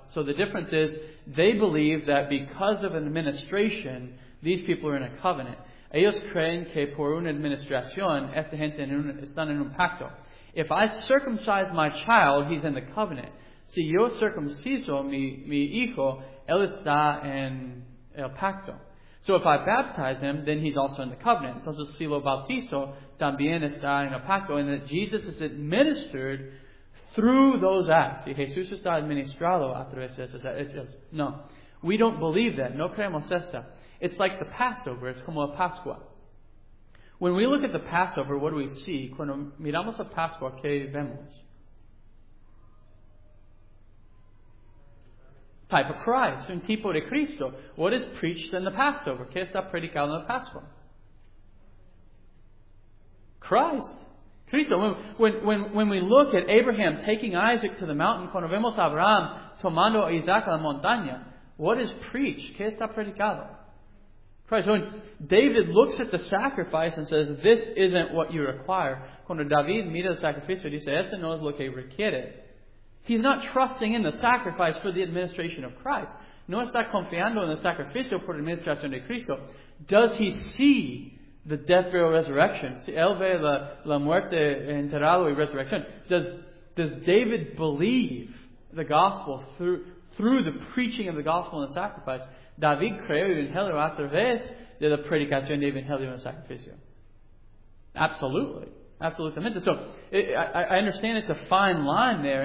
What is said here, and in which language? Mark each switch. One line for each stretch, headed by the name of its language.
English: So the difference is, they believe that because of administration, these people are in a covenant.
Spanish: Ellos creen que por una administración, esta gente están en un pacto.
English: If I circumcise my child, he's in the covenant.
Spanish: Si yo circunciso mi hijo, él está en el pacto.
English: So if I baptize him, then he's also in the covenant.
Spanish: Entonces, si lo bautizo, también está en el pacto.
English: And that Jesus is administered through those acts.
Spanish: Y Jesús está administrado a través de esos hechos.
English: No. We don't believe that.
Spanish: No creemos esta.
English: It's like the Passover. It's
Spanish: como a Pascua.
English: When we look at the Passover, what do we see?
Spanish: Cuando miramos a Pascua, ¿qué vemos?
English: Type of Christ,
Spanish: un tipo de Cristo.
English: What is preached in the Passover?
Spanish: ¿Qué está predicado en la Pascua?
English: Christ. Cristo. When we look at Abraham taking Isaac to the mountain,
Spanish: cuando vemos a Abraham tomando a Isaac a la montaña,
English: what is preached?
Spanish: ¿Qué está predicado?
English: Christ. When David looks at the sacrifice and says, this isn't what you require.
Spanish: Cuando David mira el sacrificio, dice, esto no es lo que requiere.
English: He's not trusting in the sacrifice for the administration of Christ.
Spanish: No está confiando en el sacrificio por la administración de Cristo.
English: Does he see the death, burial, resurrection?
Spanish: Si él ve la muerte, enterrado y resurrección.
English: Does David believe the gospel through the preaching of the gospel and the sacrifice?
Spanish: David creó el evangelio a través de la predicación del evangelio y el sacrificio.
English: Absolutely.
Spanish: Absolutamente.
English: So, I understand it's a fine line there.